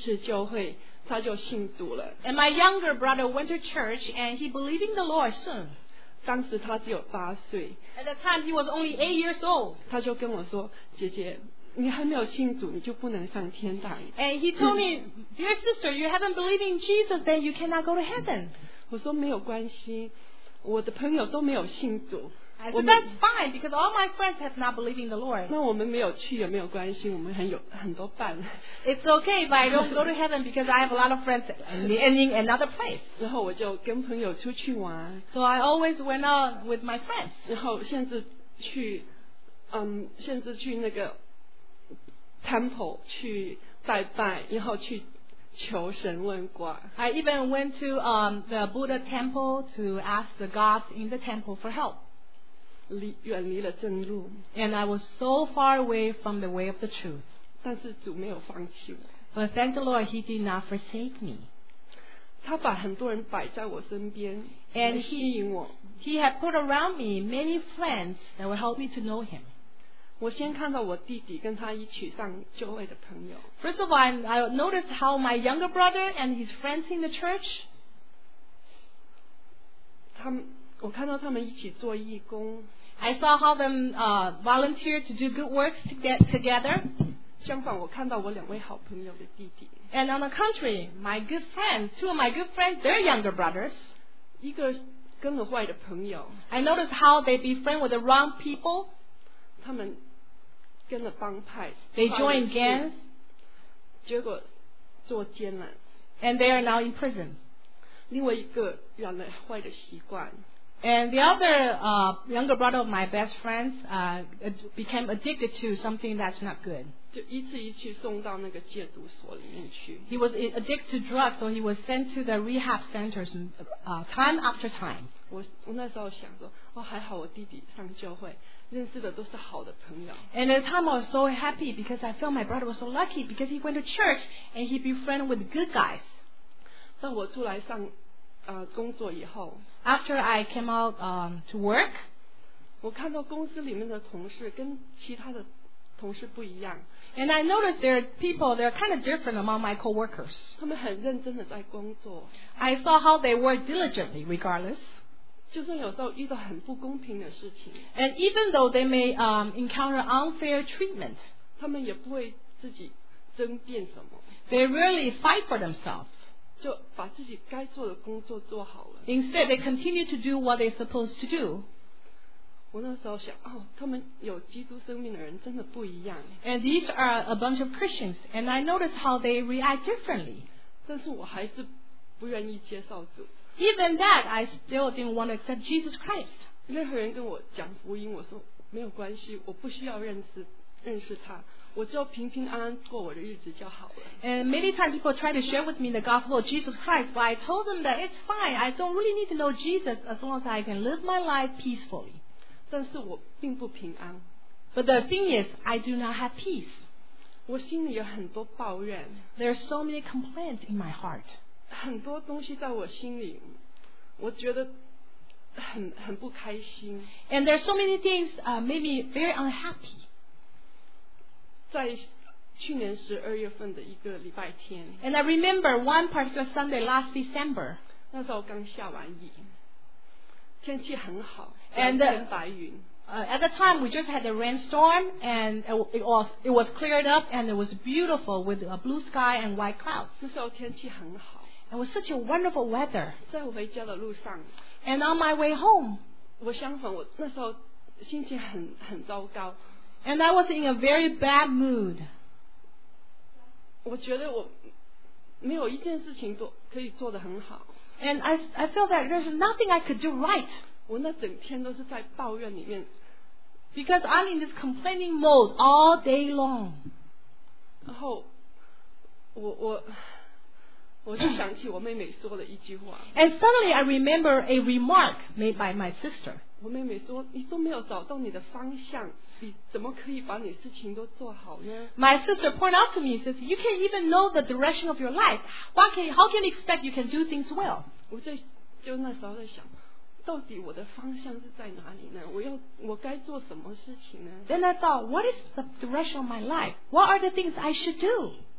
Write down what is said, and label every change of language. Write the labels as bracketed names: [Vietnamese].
[English] And my younger brother went to church and he believed in the Lord soon. [Chinese] 当时他只有八岁。 [English] At the time he was only 8 years old. [Chinese] 他就跟我说，姐姐，你还没有信主，你就不能上天堂。 [English] And he told me, dear sister, you haven't believed in Jesus, then you cannot go to heaven. [Chinese] 我说没有关系，我的朋友都没有信主。 [English] I said that's fine because all my friends have not believed in the Lord. [Chinese] 那我们没有去也没有关系，我们很多伴。 [English] It's okay if I don't go to heaven because I have a lot of friends in another place. [Chinese] 然后我就跟朋友出去玩。 [English] So I always went out with my friends. [Chinese] 然后甚至去那个 temple 去拜拜，然后去求神问卦。 [English] I even went to the Buddha temple to ask the gods in the temple for help. [Chinese] 远离了正路。 [English] And I was so far away from the way of the truth. [Chinese] 但是主没有放弃我。 [English] But thank the Lord, he did not forsake me. [Chinese] 他把很多人摆在我身边。 [English] And [Chinese] he 吸引我。 [English] He had put around me many friends that would help me to know him. [Chinese] 我先看到我弟弟跟他一起上教会的朋友。 [English] First of all, I noticed how my younger brother and his friends in the church, [Chinese] 他们我看到他们一起做义工。 [English] I saw how them volunteer to do good works to get together. [Chinese] 相反，我看到我两位好朋友的弟弟。 [English] And on the contrary, my good friends, two of my good friends, their younger brothers. [Chinese] 一个跟了坏的朋友。 [English] I noticed how they befriend with the wrong people. [Chinese] 他们跟了帮派。 [English] They joined gangs. [Chinese] 结果坐监了。 [English] And they are now in prison. [Chinese] 另外一个养了坏的习惯。 [English] And the other younger brother of my best friends became addicted to something that's not good. [Chinese] 就一次一次送到那个戒毒所里面去。 [English] He was addicted to drugs, so he was sent to the rehab centers time after time. [Chinese] 我那时候想说，哦，还好我弟弟上教会，认识的都是好的朋友。 [English] And at the time I was so happy because I felt my brother was so lucky because he went to church and he befriended with good guys. [Chinese] 当我出来上工作以后 [English] After I came out to work [Chinese] 我看到公司里面的同事跟其他的同事不一样 [English] And I noticed there are people they're kind of different among my co-workers [Chinese] 他们很认真的在工作 [English] I saw how they work diligently regardless [Chinese] 就算有时候遇到很不公平的事情 [English] And even though they may encounter unfair treatment [Chinese] 他们也不会自己争辩什么 [English] They really fight for themselves [Chinese] 就把自己该做的工作做好了 [English] Instead they continue to do what they're supposed to do [Chinese] 我那时候想、哦、他们有基督生命的人真的不一样 [English] And these are a bunch of Christians And I noticed how they react differently [Chinese] 但是我还是不愿意接受主 [English] Even that, I still didn't want to accept Jesus Christ [Chinese] 任何人跟我讲福音我说没有关系我不需要认识他我就平平安安过我的日子就好了 [English] And many times people try to share with me the gospel of Jesus Christ But I told them that it's fine I don't really need to know Jesus As long as I can live my life peacefully [Chinese] 但是我并不平安 [English] But the thing is, I do not have peace [Chinese] 我心里有很多抱怨 [English] There are so many complaints in my heart [Chinese] 很多东西在我心里我觉得很不开心 [English] And there are so many things made me very unhappy [Chinese] 在去年十二月份的一个礼拜天 [English] And I remember one particular Sunday last December [Chinese] 那时候刚下完雨天气很好 [English] and, [Chinese] 蓝天白云 [English] at the time we just had a rainstorm and it was cleared up and it was beautiful with a blue sky and white clouds [Chinese] 那时候天气很好 [English] it was such a wonderful weather [Chinese] 在回家的路上 [English] and on my way home [Chinese] 我相反我那时候心情很糟糕 [English] and I was in a very bad mood [Chinese] 我觉得我没有一件事情都可以做得很好 [English] And I feel that there's nothing I could do right. [Chinese] 我那整天都是在抱怨里面 [English] Because I'm in this complaining mode all day long. [Chinese] 然后我就想起我妹妹说了一句话 [English] And suddenly I remember a remark made by my sister. [Chinese] 我妹妹说你都没有找到你的方向你怎么可以把你事情都做好呢 [English] My sister pointed out to me says, You can't even know the direction of your life How can you expect you can do things well [Chinese] 我就那时候在想到底我的方向是在哪里呢我该做什么事情呢 [English] Then I thought What is the direction of my life What are the things I should do